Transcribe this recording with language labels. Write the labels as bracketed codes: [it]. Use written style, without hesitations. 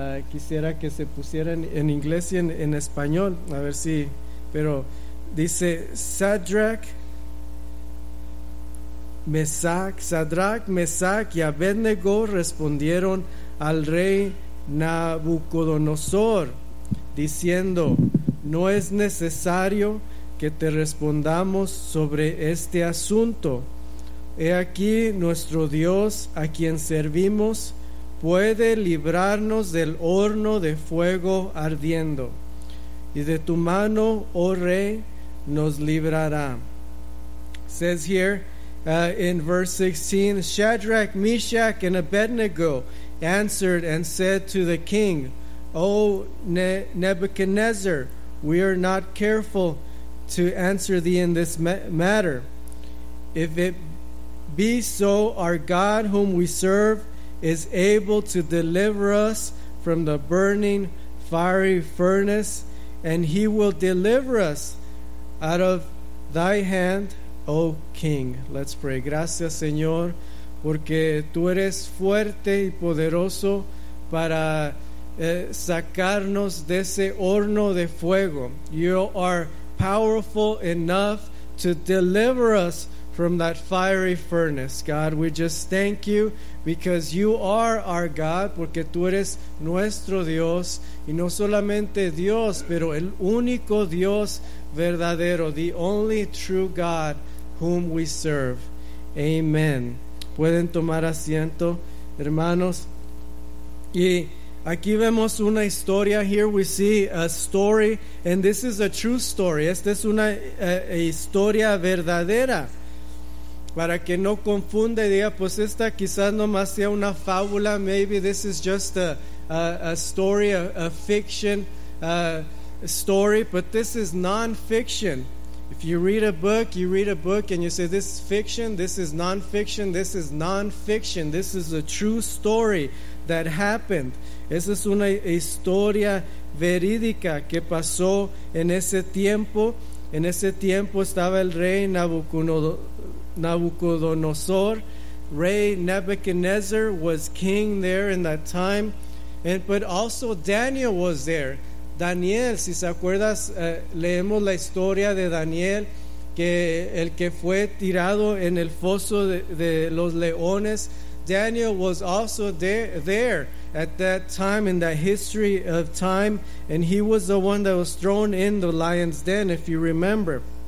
[es] Quisiera que se pusieran en inglés y en español, a ver si, pero dice Shadrach, Meshach, Shadrach, Meshach y Abednego respondieron al rey Nabucodonosor diciendo: no es necesario que te respondamos sobre este asunto. He aquí, nuestro Dios a quien servimos puede librarnos del horno de fuego ardiendo, y de tu mano, oh rey, nos librará. [en] It says here in verse 16, Shadrach, Meshach, and Abednego answered and said to the king, O Nebuchadnezzar, we are not careful to answer thee in this matter. If it be so, our God whom we serve is able to deliver us from the burning fiery furnace, and he will deliver us out of thy hand, O king. Let's pray. [es] Gracias, Señor, porque tú eres fuerte y poderoso para sacarnos de ese horno de fuego. [en] You are powerful enough to deliver us from that fiery furnace. God, we just thank you because you are our God, [es] porque tú eres nuestro Dios, y no solamente Dios, pero el único Dios verdadero, [en] the only true God whom we serve. Amen. [es] Pueden tomar asiento, hermanos. Y aquí vemos una historia. [en] Here we see a story, and this is a true story. [es] Esta es una historia verdadera. Para que no confunda y diga, pues esta quizás nomás sea una fábula. [en] Maybe this is just a story, a fiction story, but this is non-fiction. If you read a book, you read a book and you say, this is fiction, this is non-fiction, this is non-fiction. This is a true story that happened. [es] Esa es una historia verídica que pasó en ese tiempo. En ese tiempo estaba el rey Nabucodonosor. [en] Rey Nebuchadnezzar was king there in that time. But also Daniel was there. [es] Daniel, si se acuerdas, leemos la historia de Daniel, que el que fue tirado en el foso de los leones. [en] Daniel was also there at that time in that history of time, and he was the one that was thrown in the lion's den, if you remember.